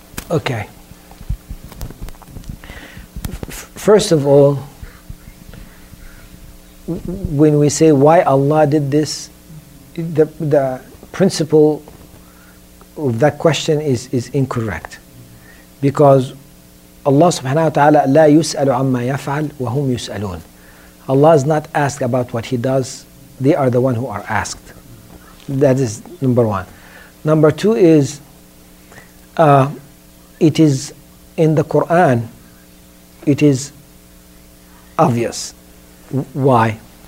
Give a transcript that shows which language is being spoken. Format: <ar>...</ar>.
<en>Okay. First of all, when we say why Allah did this, the principle of that question is incorrect.</en> <ar>Because Allah subhanahu wa ta'ala لا يسأل عما يفعل وهم يسألون.</ar> <en>Allah is not asked about what He does. They are the one who are asked. That is number one. Number two is, it is in the Quran, it is obvious. Why?</en>